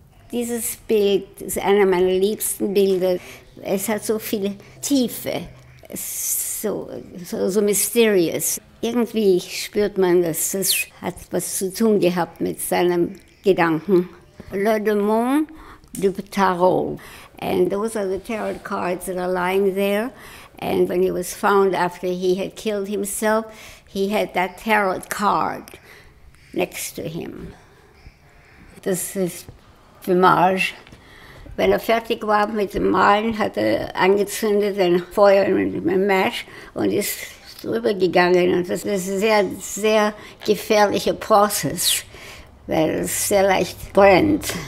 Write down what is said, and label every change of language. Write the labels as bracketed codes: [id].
[de] Dieses Bild ist einer meiner liebsten Bilder. Es hat so viel Tiefe. [en] So mysterious. [de] Irgendwie spürt man, dass es hat was zu tun gehabt mit seinem Gedanken. [fr] Le Demon du Tarot. [en] And those are the tarot cards that are lying there. And when he was found after he had killed himself, he had that tarot card next to him. [de] Das ist Fumage. Wenn fertig war mit dem Malen, hat angezündet ein Feuer mit dem Match und ist drüber gegangen. Und das ist ein sehr, sehr gefährlicher Prozess, weil es sehr leicht brennt.